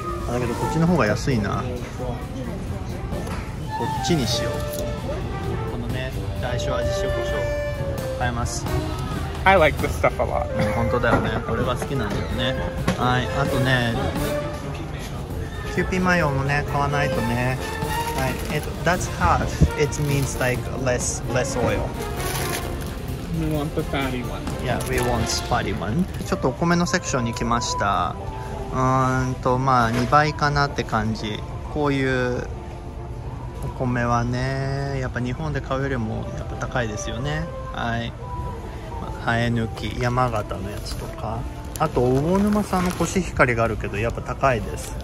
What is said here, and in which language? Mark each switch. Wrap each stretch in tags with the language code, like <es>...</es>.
<ja>だけどこっちの方が安いな、こっちにしよう。このね、大小味塩コショウ買います。</ja> <en>I like this stuff a lot.</en> <ja>本当だよね。これは好きなんだよね。はい、あとね、キューピーマヨもね、買わないとね。</ja> <en>はい、That's hard. It means like less oil. We want the fatty one. Yeah, we want the fatty one.</en> <ja>ちょっとお米のセクションに来ました。まあ2倍かなって感じ。こういうお米はね、やっぱ日本で買うよりもやっぱ高いですよね。はい。生え抜き、山形のやつとか、あと魚沼産のコシヒカリがあるけどやっぱ高いです。</ja>